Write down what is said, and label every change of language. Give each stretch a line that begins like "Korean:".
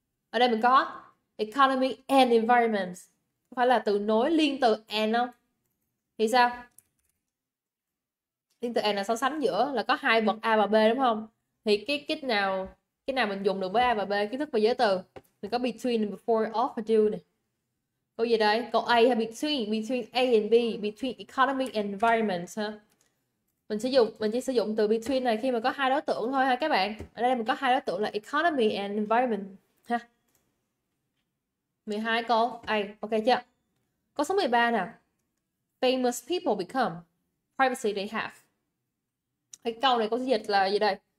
Vietnamese: Ở đây mình có
English: economy and environment.
Vietnamese: Có phải là từ nối liên từ and không? Thì sao? Liên từ and là so sánh giữa là có hai vật A và B đúng không? Thì cái nào mình dùng được với A và B, kiến thức về giới từ. Mình có between, before, of và do này. Câu gì đây? Câu A hay
English: between A and B, between economy and environment ha.
Vietnamese: Mình chỉ sử dụng từ between này khi mà có hai đối tượng thôi ha các bạn. Ở đây mình có hai đối tượng là
English: economy and environment
Vietnamese: ha. 12 câu A, ok chưa? Câu số 13 nè.
English: Famous people become privacy they have.
Vietnamese: Cái câu này có dịch là gì đây?